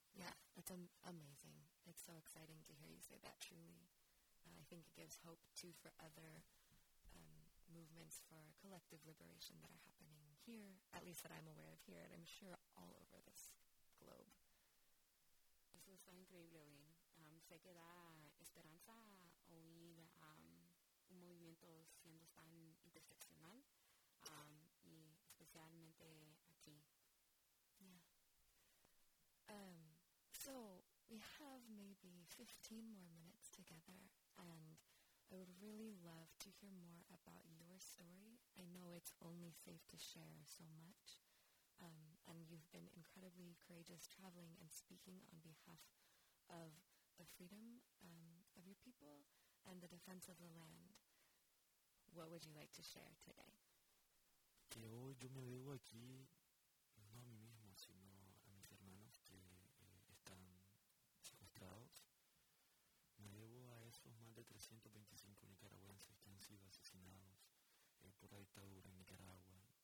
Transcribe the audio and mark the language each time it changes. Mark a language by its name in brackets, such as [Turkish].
[English] Yeah, that's amazing. It's so exciting to hear you say that, truly. I think it gives hope, too, for other movements for collective liberation that are happening here, at least that I'm aware of here, and I'm sure all over this globe. [Spanish] Eso está increíble, Wayne. Sé que da esperanza oír un movimiento siendo tan interseccional, y especialmente aquí. [English] Yeah. So we have maybe 15 more minutes together, and I would really love to hear more about your story. I know it's only safe to share so much, and you've been incredibly courageous traveling and speaking on behalf of the freedom of your people and the defense of the land. What would you like to share today? [Spanish] Que hoy yo me debo aquí, no a mí mismo, sino a mis hermanos que están secuestrados. Me debo a esos más de 325 nicaragüenses que han sido asesinados por la dictadura en Nicaragua.